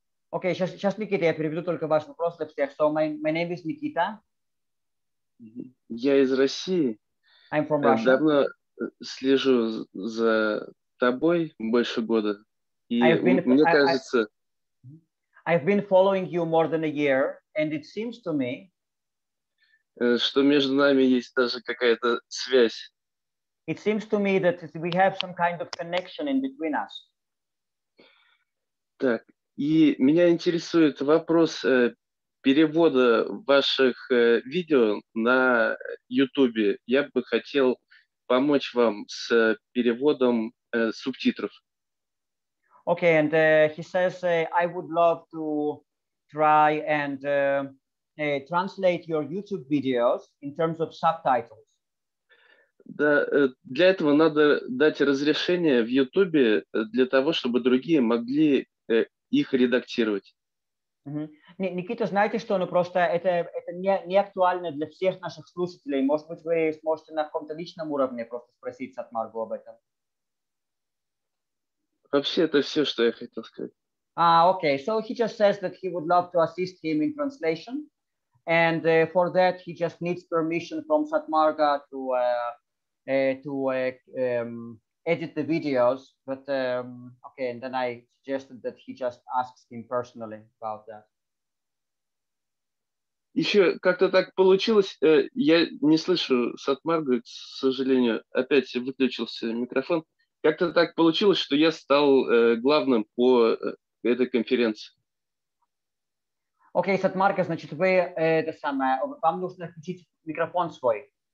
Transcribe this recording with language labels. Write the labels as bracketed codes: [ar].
[ru] Окей, сейчас, Никита, я переведу только ваш вопрос для всех. [en] So, my name is Nikita. [ru] Я из России. [en] I'm from Russia. [ru] Я давно слежу за тобой больше года. И мне кажется... [en] I've been following you more than a year. And it seems to me, [ru] что между нами есть даже какая-то связь. [en] It seems to me that we have some kind of connection in between us. [ru] Так, и меня интересует вопрос перевода ваших видео на YouTube. Я бы хотел помочь вам с переводом субтитров. [en] Okay, and he says, I would love to try and translate your YouTube videos in terms of subtitles. [ru] Да, для этого надо дать разрешение в YouTube для того, чтобы другие могли их редактировать. Mm-hmm. Никита, знаете что, ну просто это не актуально для всех наших слушателей. Может быть, вы сможете на каком-то личном уровне просто спросить Сатмаргу об этом? Вообще, это все, что я хотел сказать. [en] Okay, so he just says that he would love to assist him in translation, and for that he just needs permission from Satmarga to edit the videos, but okay, and then I suggested that he just asks him personally about that. [ru] Еще как-то так получилось, я не слышу Сатмаргу, к сожалению, опять выключился микрофон, как-то так получилось, что я стал главным по этой конференции. Окей, Сатмарга, значит, вы это самое, вам нужно включить микрофон свой.